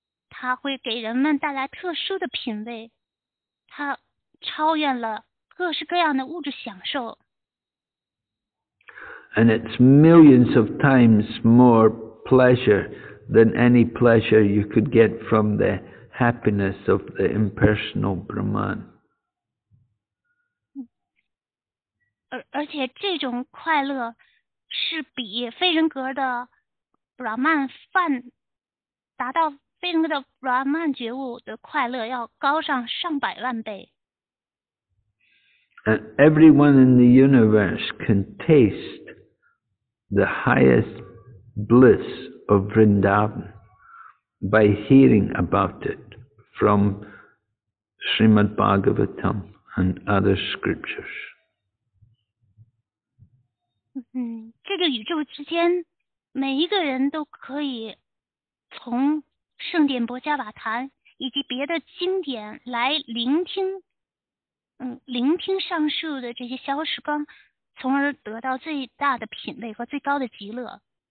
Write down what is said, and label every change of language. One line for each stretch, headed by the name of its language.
Chinese: 它会给人们带来特殊的品味。它超越了各式各样的物质享受。
English: And it's millions of times more pleasure than any pleasure you could get from the happiness of the impersonal Brahman.
Chinese: 而且这种快乐是比非人格的 Brahman 达到非人格的 Brahman 觉悟的快乐要高上上百万倍。
English: And everyone in the universe can taste. The highest bliss of Vrindavan by hearing about it from Srimad Bhagavatam and other scriptures.
Chinese: 这个宇宙之间，每一个人都可以从圣典博伽瓦坛以及别的经典来聆听，聆听上述的这些消时光。从而得到最大的品味和最高的极乐。